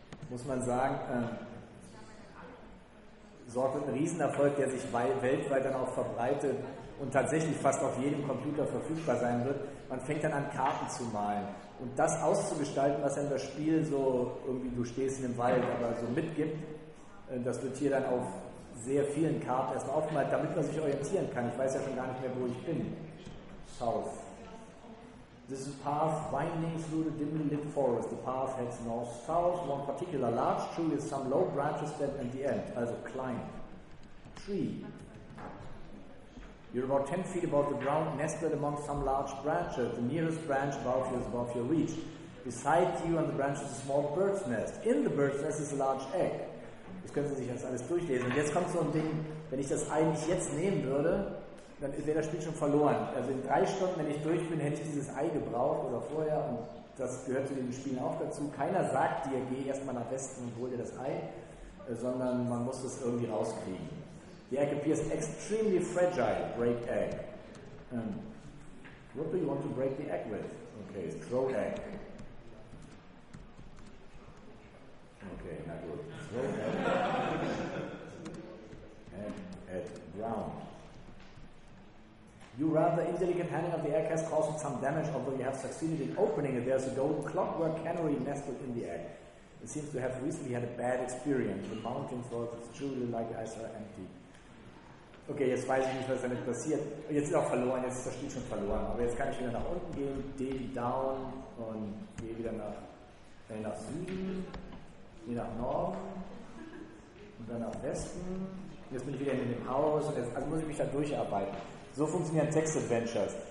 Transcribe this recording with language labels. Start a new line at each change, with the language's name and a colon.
German: Muss man sagen, Zork wird ein Riesenerfolg, der sich weltweit dann auch verbreitet und tatsächlich fast auf jedem Computer verfügbar sein wird. Man fängt dann an, Karten zu malen. Und das auszugestalten, was dann das Spiel so irgendwie, du stehst in dem Wald, aber so mitgibt, das wird hier dann auf sehr vielen Karten erstmal aufgemalt, damit man sich orientieren kann. Ich weiß ja schon gar nicht mehr, wo ich bin.
English: South. This is a path winding through the dimly lit forest. The path heads north-south. One particular large tree with some low branches dead at the end. Also climb. Tree. You're about 10 feet above the ground, nested among some large branches. The nearest branch above you is above your reach. Beside you on the branch is a small bird's nest. In the bird's nest is a large egg.
German: Das können Sie sich jetzt alles durchlesen. Und jetzt kommt so ein Ding, wenn ich das eigentlich jetzt nehmen würde, dann wäre das Spiel schon verloren. Also in 3 Stunden, wenn ich durch bin, hätte ich dieses Ei gebraucht oder vorher. Und das gehört zu den Spielen auch dazu. Keiner sagt dir, geh erstmal nach Westen und hol dir das Ei, sondern man muss es irgendwie rauskriegen.
English: The egg appears extremely fragile. Break egg. What do you want to break the egg with? Okay, throw egg.
German: Okay, na gut.
English: Throw egg. Egg at ground. You rather intelligent handling of the egg has caused some damage, although you have succeeded in opening it. There's a golden clockwork canary nested in the egg. It seems to have recently had a bad experience. The mountain falls is truly like I saw empty.
German: Okay, jetzt weiß ich nicht, was damit passiert. Jetzt ist auch verloren, jetzt ist das Spiel schon verloren. Aber jetzt kann ich wieder nach unten gehen, D down und gehe wieder nach Süden, gehe nach Norden und dann nach Westen. Jetzt bin ich wieder in dem Haus und jetzt, also muss ich mich da durcharbeiten. So funktionieren Text-Adventures.